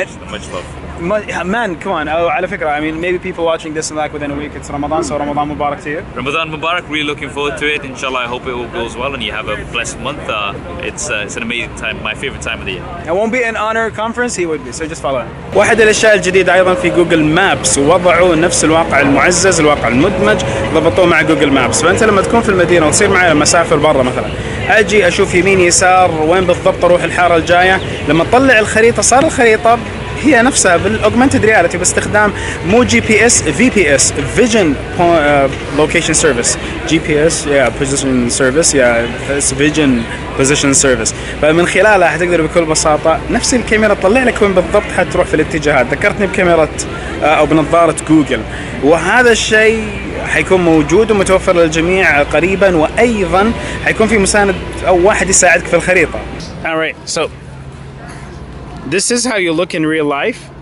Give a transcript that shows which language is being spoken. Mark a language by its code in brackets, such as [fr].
[en] Much love. Man, come on. [ar] على فكرة, [en] I mean, maybe people watching this in like within a week, it's Ramadan, so Ramadan Mubarak to you. Ramadan Mubarak, really looking forward to it. Inshallah, I hope it all goes well and you have a blessed month. It's an amazing time, my favorite time of the year. It won't be an honor conference, he would be, so just follow him. [ar] واحد الأشياء الجديدة أيضا في جوجل مابس, وضعوا نفس الواقع المعزز, الواقع المدمج, ضبطوه مع جوجل مابس. فأنت لما تكون في المدينة وتصير معي مسافة برا مثلا, أجي أشوف يمين يسار وين بالضبط أروح الحارة الجاية, لما تطلع الخريطة صار الخريطة هي نفسها بالاوجمنتد رياليتي باستخدام مو جي بي اس, في بي اس, فيجن لوكيشن سيرفيس, جي بي اس يا بوزيشن سيرفيس يا فيجن بوزيشن سيرفيس. فمن خلالها حتقدر بكل بساطه نفس الكاميرا تطلع لك وين بالضبط حتروح في الاتجاهات. ذكرتني بكاميرا او بنظاره جوجل, وهذا الشيء حيكون موجود ومتوفر للجميع قريبا, وايضا حيكون في مساند او واحد يساعدك في الخريطه. [en] All right, so this is how you look in real life.